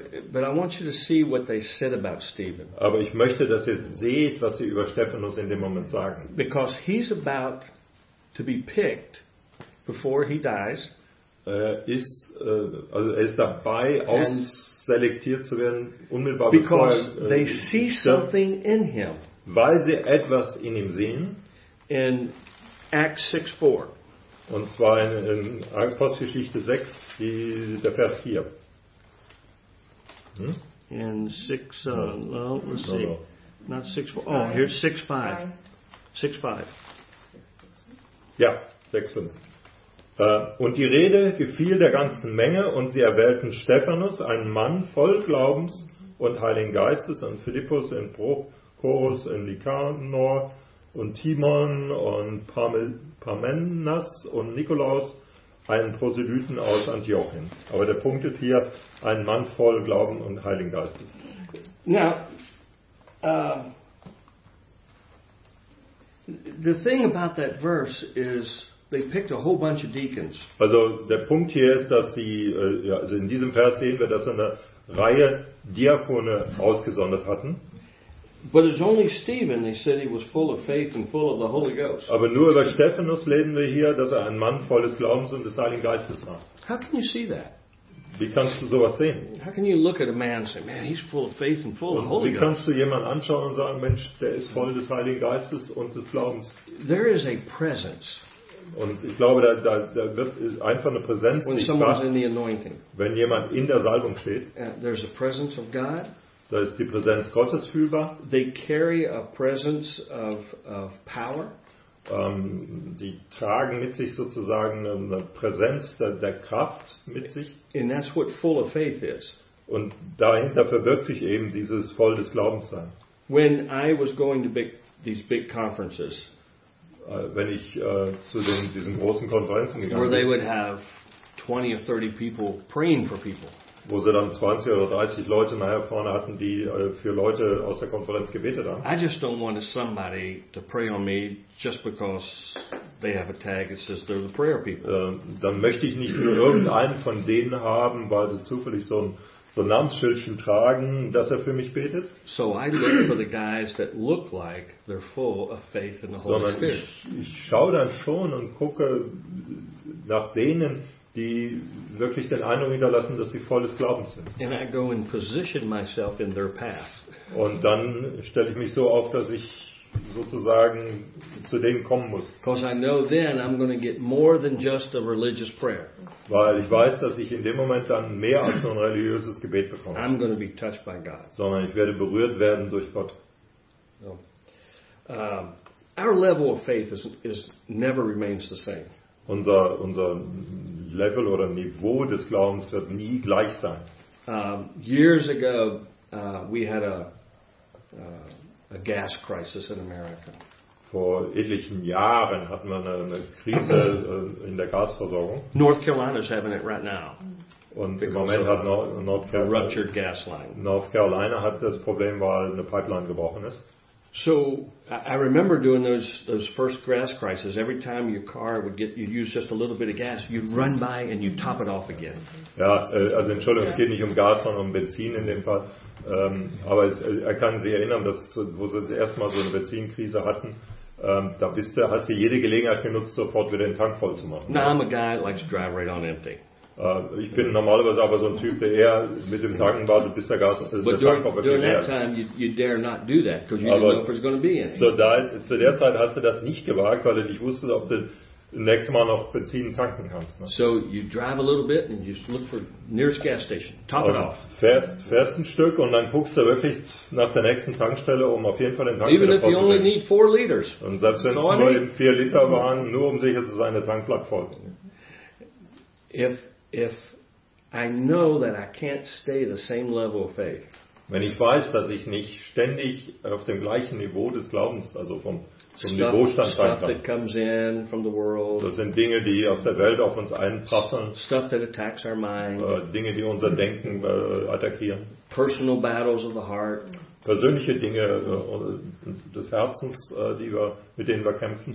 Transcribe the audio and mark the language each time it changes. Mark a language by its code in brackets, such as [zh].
[en] But I want you to see what they said about Stephen. [de] Aber ich möchte, dass ihr seht, was sie über Stephanus in dem Moment sagen. [en] Because he's about to be picked before he dies. [de] Er ist dabei, ausselektiert zu werden, unmittelbar [en] because [de] bevor er, [en] they see something in him. [de] Weil sie etwas in ihm sehen. [en] In Acts 6:4. [de] Und zwar in Apostelgeschichte 6, der Vers 4. [en] In 6, let's see. No. Not 6, 4. Oh, here's 6, 5. 6, 5. [de] Ja, 6, 5. Und die Rede gefiel der ganzen Menge und sie erwählten Stephanus, einen Mann voll Glaubens und Heiligen Geistes, und Philippus in Prochorus in Nikanor und Timon und Parmenas und Nikolaus, einen Proselyten aus Antiochien. Aber der Punkt ist hier, ein Mann voll Glauben und Heiligen Geistes. [en] Now, the thing about that verse is, they picked a whole bunch of deacons. [de] Also der Punkt hier ist, dass sie, also in diesem Vers sehen wir, dass sie eine Reihe Diakone ausgesondert hatten. [en] But it's only Stephen, they said he was full of faith and full of the Holy Ghost. [de] Aber nur über Stephanus lesen wir hier, dass er ein Mann volles Glaubens und des Heiligen Geistes war. [en] How can you see that? [de] Wie kannst du sowas sehen? [en] How can you look at a man and say, man, he's full of faith and full of the Holy Ghost? [de] Wie kannst du jemanden anschauen und sagen, Mensch, der ist voll des Heiligen Geistes und des Glaubens? [en] There is a presence. [de] Und ich glaube, da wird einfach eine Präsenz sichtbar, wenn jemand in der Salbung steht. [en] There's a presence of God. [de] Da ist die Präsenz Gottes fühlbar. [en] They carry a presence of power. [de] Die tragen mit sich sozusagen eine Präsenz der Kraft mit sich. [en] And that's what full of faith is. [de] Und dahinter verbirgt sich eben dieses voll des Glaubens sein. [en] When I was going to these big conferences, [de] wenn ich zu diesen großen Konferenzen gegangen bin, [en] where they would have 20 or 30 people praying for people. [de] Wo sie dann 20 oder 30 Leute nachher vorne hatten, die für Leute aus der Konferenz gebetet haben. [en] I just don't want somebody to pray on me just because they have a tag that says they're the prayer people. [de] Dann möchte ich nicht nur irgendeinen von denen haben, weil sie zufällig so ein Namensschildchen tragen, dass er für mich betet. [en] So I look for the guys that look like they're full of faith in the Holy Spirit. [de] Ich schaue dann schon und gucke nach denen, die wirklich den Eindruck hinterlassen, dass sie voll des Glaubens sind. [en] And I go and position myself in their path. [de] Und dann stelle ich mich so auf, dass ich sozusagen zu denen kommen muss. [en] Because I know then I'm going to get more than just a religious prayer. [de] Weil ich weiß, dass ich in dem Moment dann mehr als nur ein religiöses Gebet bekomme. [en] I'm going to be touched by God. [de] Sondern ich werde berührt werden durch Gott. [en] So. Our level of faith is never remains the same. [de] Unser Level oder Niveau des Glaubens wird nie gleich sein. [en] Years ago, we had a gas crisis in America. [de] Vor etlichen Jahren hatten wir eine Krise in der Gasversorgung. [en] North Carolina is having it right now. [de] Und im Moment hat North Carolina hat das Problem, weil eine Pipeline gebrochen ist. [en] So I remember doing those first gas crises. Every time your car would get, you'd use just a little bit of gas, you'd run by and you'd top it off again. [de] Ja, also Entschuldigung, es geht nicht um Gas, sondern um Benzin in dem Fall. Aber er kann sich erinnern, dass wo sie das erste Mal so eine Benzinkrise hatten, hast du jede Gelegenheit genutzt, sofort wieder den Tank voll zu machen. [en] Now I'm a guy that likes to drive right on empty. [de] Ich bin normalerweise aber so ein Typ, der eher mit dem Tanken wartet, bis der Gas durch. Zu der Zeit hast du das nicht gewagt, weil du nicht wusstest, ob du nächste Mal noch Benzin tanken kannst. Ne? [en] So you drive a little bit and you look for nearest gas station. Top [de] und [en] it off. [de] Fährst ein Stück und dann guckst du wirklich nach der nächsten Tankstelle, um auf jeden Fall den Tank [en] even [de] wieder vollzubringen. [en] Even if you only need 4 liters. [de] Und selbst wenn es nur 4 Liter waren, nur um sicher zu sein, der Tank bleibt voll. [en] If I know that I can't stay the same level of faith. [de] Wenn ich weiß, dass ich nicht ständig auf dem gleichen Niveau des Glaubens, also vom Niveaustand sein kann. [en] Stuff that comes in from the world. [de] Das sind Dinge, die aus der Welt auf uns einprasseln. [en] Stuff that attacks our mind. [de] Dinge, die unser Denken attackieren. [en] Personal battles of the heart. [de] Persönliche Dinge des Herzens, mit denen wir kämpfen.